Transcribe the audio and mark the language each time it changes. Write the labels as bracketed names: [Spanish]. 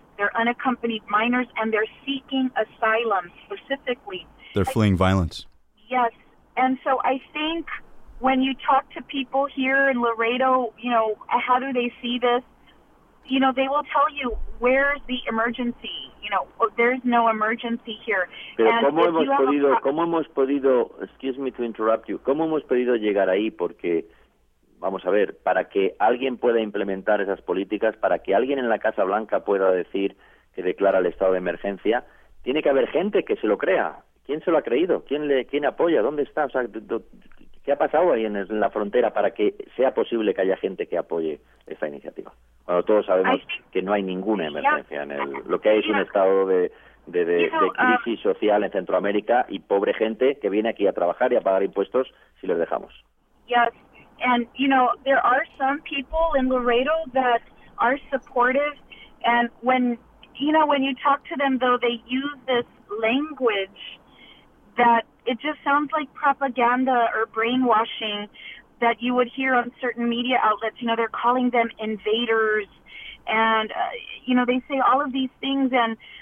[English] They're unaccompanied minors, and they're seeking asylum specifically. They're fleeing violence. Yes. And so I think when you talk to people here in Laredo, you know, how do they see this? You know, they will tell you, where's the emergency? You know, there's no emergency here. [Spanish] Pero and ¿cómo, hemos podido, ¿cómo hemos podido, [English] excuse me to interrupt you, [Spanish] cómo hemos podido llegar ahí? Porque, vamos a ver, para que alguien pueda implementar esas políticas, para que alguien en la Casa Blanca pueda decir que declara el estado de emergencia, tiene que haber gente que se lo crea. ¿Quién se lo ha creído? ¿Quién apoya? ¿Dónde está? O sea, ¿qué ha pasado ahí en la frontera para que sea posible que haya gente que apoye esta iniciativa? Bueno, todos sabemos que no hay ninguna emergencia. Lo que hay es un estado de crisis social en Centroamérica y pobre gente que viene aquí a trabajar y a pagar impuestos si les dejamos. [English] Yes. And, you know, there are some people in Laredo that are supportive. And when, you know, when you talk to them, though, they use this language that it just sounds like propaganda or brainwashing that you would hear on certain media outlets. You know, they're calling them invaders. And, you know, they say all of these things. And,